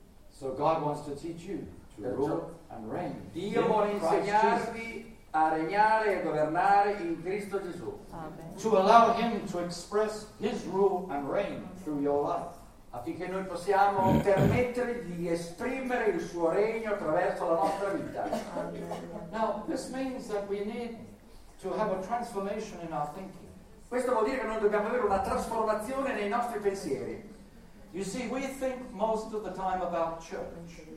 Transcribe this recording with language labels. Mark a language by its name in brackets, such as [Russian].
[English] So God wants to teach you to rule and reign. [Italian] Dio vuole insegnarvi a regnare e governare in Cristo Gesù. [English] To allow Him to express His rule and reign through your life. [Italian] Affinché noi possiamo permettere di esprimere il suo regno attraverso la nostra vita. [English] Now, this means that we need to have a transformation in our thinking. [Italian] Questo vuol dire che noi dobbiamo avere una trasformazione nei nostri pensieri. [English] You see, we think most of the time about church.